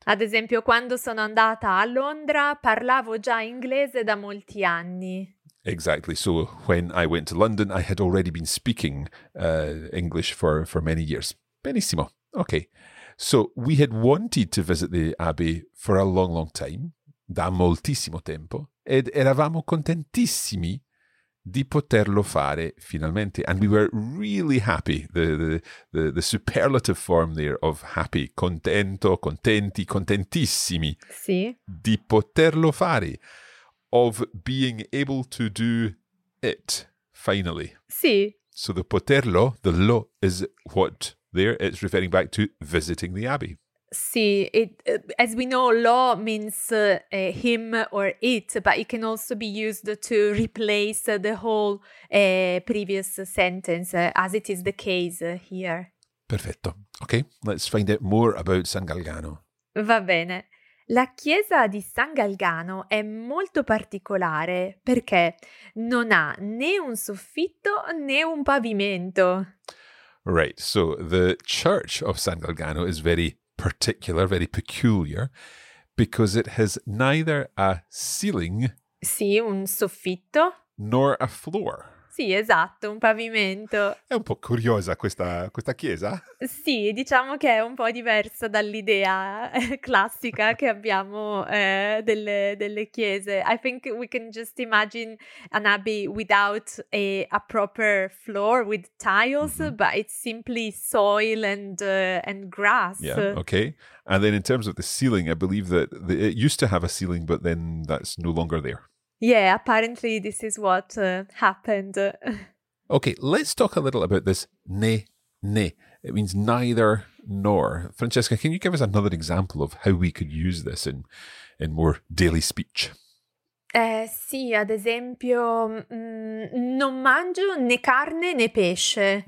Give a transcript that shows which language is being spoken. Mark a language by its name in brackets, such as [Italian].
[Italian] Ad esempio, quando sono andata a Londra, parlavo già inglese da molti anni. [English] Exactly. So when I went to London, I had already been speaking English for many years. Benissimo. Okay. So we had wanted to visit the Abbey for a long, long time, [Italian] da moltissimo tempo, ed eravamo contentissimi di poterlo fare finalmente. [English] And we were really happy, the superlative form there of happy, [Italian] contento, contenti, contentissimi. Sì. Di poterlo fare. [English] Of being able to do it, finally. [Italian] Sì. [English] So the poterlo, the lo, is what there, it's referring back to visiting the Abbey. Sì, it, as we know, lo means him or it, but it can also be used to replace the whole previous sentence, as it is the case here. Perfetto. Okay, let's find out more about San Galgano. [Italian] Va bene. La chiesa di San Galgano è molto particolare perché non ha né un soffitto né un pavimento. [English] Right, so the church of San Galgano is very particular, very peculiar, because it has neither a ceiling. [Italian] Sì, un soffitto. [English] Nor a floor. [Italian] Sì, esatto, un pavimento. È un po' curiosa questa chiesa. Sì, diciamo che è un po' diversa dall'idea classica che abbiamo delle chiese. [English] I think we can just imagine an abbey without a proper floor with tiles, mm-hmm. but it's simply soil and grass. Yeah, okay. And then in terms of the ceiling, I believe that it used to have a ceiling, but then that's no longer there. Yeah, apparently this is what happened. Okay, let's talk a little about this né, né. It means neither nor. Francesca, can you give us another example of how we could use this in more daily speech? [Italian] Sì, ad esempio, non mangio né carne né pesce.